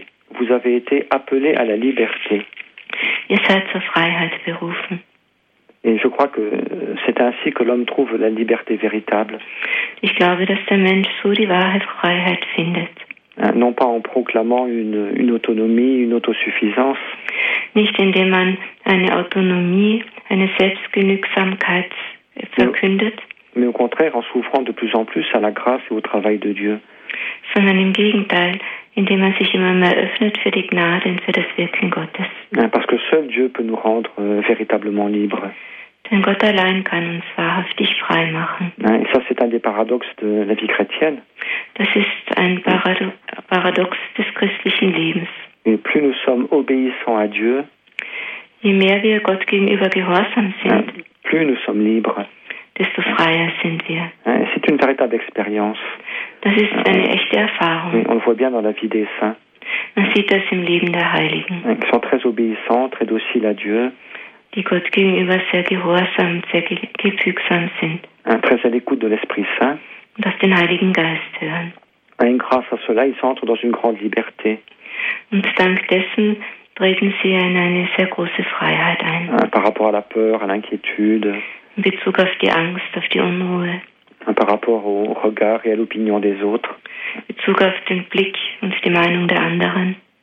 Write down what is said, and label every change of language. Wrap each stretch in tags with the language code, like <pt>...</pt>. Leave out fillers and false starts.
<fr>Vous avez été appelé à la liberté.</fr> <de>Ihr seid zur Freiheit berufen.</de> <fr>Et je crois que c'est ainsi que l'homme trouve la liberté véritable.</fr> <de>Ich glaube, dass der Mensch so die wahre Freiheit findet.</de> <fr>Non pas en proclamant une autonomie, une autosuffisance.</fr> <de>Nicht indem man eine Autonomie, eine Selbstgenügsamkeit verkündet.</de> <fr>Mais au contraire, en souffrant de plus en plus à la grâce et au travail de Dieu.</fr> <de>Sondern im Gegenteil, indem man sich immer mehr öffnet für die Gnade und für das Wirken Gottes.</de> <fr>Parce que seul Dieu peut nous rendre véritablement libres.</fr> <de>Denn Gott allein kann uns wahrhaftig frei machen.</de> <fr>Et ça, c'est un des paradoxes de la vie chrétienne.</fr> <de>Das ist ein Paradox des christlichen Lebens.</de> <fr>Et plus nous sommes obéissants à Dieu,</fr> <de>je mehr wir Gott gegenüber gehorsam sind,</de> <fr>plus nous sommes libres,</fr> <de>desto freier sind wir.</de> <fr>C'est une véritable expérience.</fr> <de>Das ist eine echte Erfahrung.</de> <fr>Et on le voit bien dans la vie des saints.</fr> <de>Man sieht das im Leben der Heiligen.</de> <fr>Ils sont très obéissants, très dociles à Dieu.</fr> <de>Die Gott gegenüber sehr gehorsam, sehr gefügsam sind.</de> <fr>Très à l'écoute de l'Esprit Saint.</fr> <de>Und auf den Heiligen Geist hören.</de> <fr>Et grâce à cela, ils entrent dans une grande liberté.</fr> <de>Und dank dessen treten sie in eine sehr große Freiheit ein.</de> <fr>Par rapport à la peur, à l'inquiétude.</fr> <de>In Bezug auf die Angst, auf die Unruhe.</de> <fr>Par rapport au regard et à l'opinion des autres.</fr> <de>In Bezug auf den Blick und die Meinung der anderen.</de>